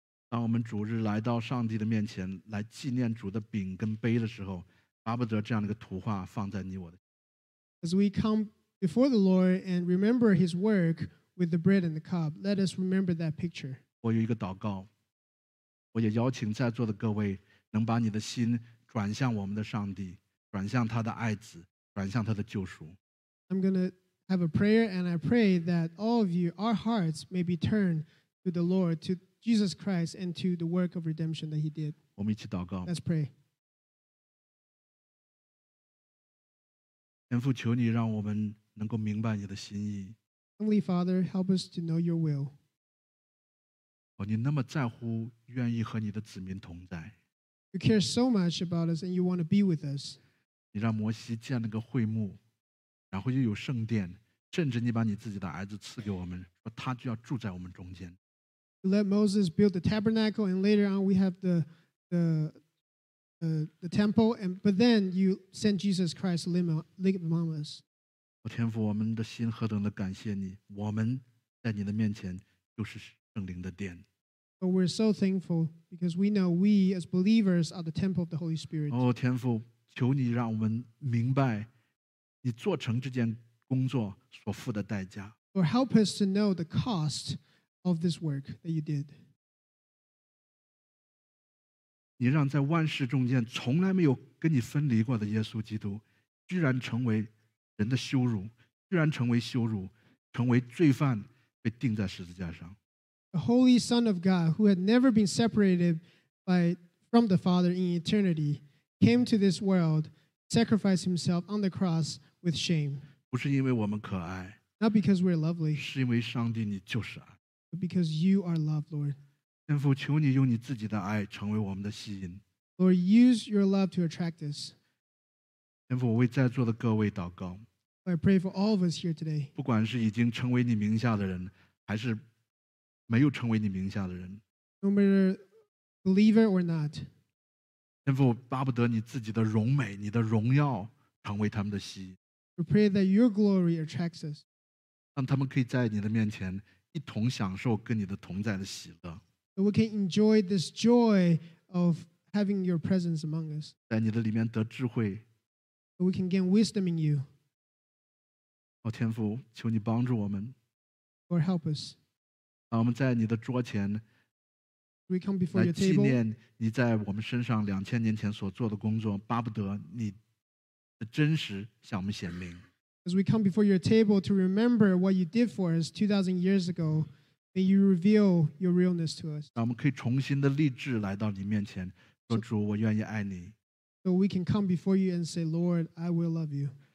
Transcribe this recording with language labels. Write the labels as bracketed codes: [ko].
[zh] 当我们主日来到上帝的面前来纪念主的饼跟杯的时候巴不得这样的一个图画放在你我的 [en] As we come before the Lord and remember his work with the bread and the cup let us remember that picture [zh] 我有一个祷告我也邀请在座的各位能把你的心转向我们的上帝转向他的爱子转向他的救赎 [en] I'm going to have a prayer and I pray that all of you our hearts may be turned to the Lord to Jesus Christ and to the work of redemption that he did [zh] 我们一起祷告 [en] Let's pray [zh] 天父求你让我们能够明白你的心意 [en] Heavenly Father help us to know your will [zh] 你那么在乎愿意和你的子民同在 [en] You care so much about us and you want to be with us [zh] 你让摩西建了个会幕然后又有圣殿甚至你把你自己的儿子赐给我们说他就要住在我们中间 [en] You let Moses build the tabernacle and later on we have the temple and, but then you send Jesus Christ to live among us [zh] 我天父我们的心何等的感谢你我们在你的面前就是 [en] But we're so thankful because we know we as believers are the temple of the Holy Spirit. [zh] Oh, 天父，求你让我们明白你做成这件工作所付的代价。 [en] Lord, help us to know the cost of this work that you did. [zh] 你让在万事中间从来没有跟你分离过的耶稣基督，居然成为人的羞辱，居然成为羞辱，成为罪犯，被钉在十字架上。 [en] The Holy Son of God, who had never been separated from the Father in eternity, came to this world, sacrificed himself on the cross with shame. [zh] 不是因为我们可爱, [en] Not because we're lovely, [zh] 是因为上帝你就是爱, [en] but because you are love, Lord. [zh] 天父求你用你自己的爱成为我们的吸引, [en] Lord, use your love to attract us. [zh] 天父我为在座的各位祷告, [en] I pray for all of us here today. [zh] 不管是已经成为你名下的人, 还是没有成为你名下的人 [en] No matter believer or not [zh] 天父巴不得你自己的荣美你的荣耀成为他们的吸引 [en] We pray that your glory attracts us [zh] 让他们可以在你的面前一同享受跟你的同在的喜乐 [en] We can enjoy this joy of having your presence among us [zh] 在你的里面得智慧 [en] We can gain wisdom in you [zh] 哦，天父求你帮助我们 [en] Lord help us [zh] 我们在你的桌前来纪念你在我们身上两千年前所做的工作巴不得你的真实向我们显明 [en] As we come before your table to remember what you did for us 2,000 years ago may you reveal your realness to us [zh] 让我们可以重新的立志来到你面前说主我愿意爱你 [en] So we can come before you and say Lord I will love you